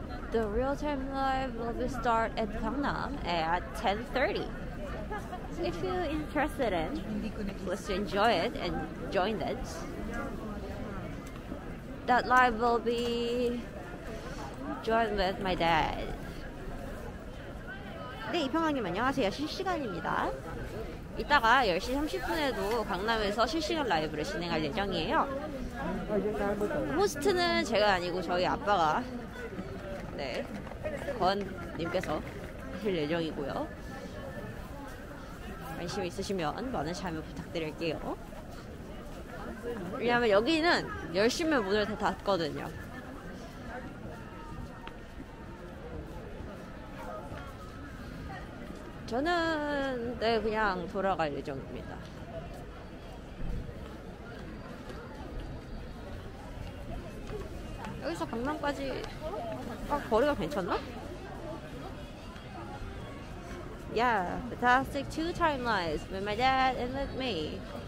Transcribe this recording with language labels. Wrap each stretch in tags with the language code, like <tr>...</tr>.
<en>The real-time live will be start at Gangnam at 10:30. If you're interested in, please enjoy it and join it. That live will be joined with my dad.</en> <ko>네, 이평왕님 안녕하세요. 실시간입니다. 이따가 10시 30분에도 강남에서 실시간 라이브를 진행할 예정이에요. 호스트는 제가 아니고 저희 아빠가 네, 권님께서 하실 예정이고요. 관심 있으시면 많은 참여 부탁드릴게요. 왜냐하면 여기는 10시면 문을 다 닫거든요. 저는 네 그냥 돌아갈 예정입니다. 여기서 강남까지 거리가 괜찮나?</ko> <en>Yeah, fantastic two timelines with my dad and with me.</en>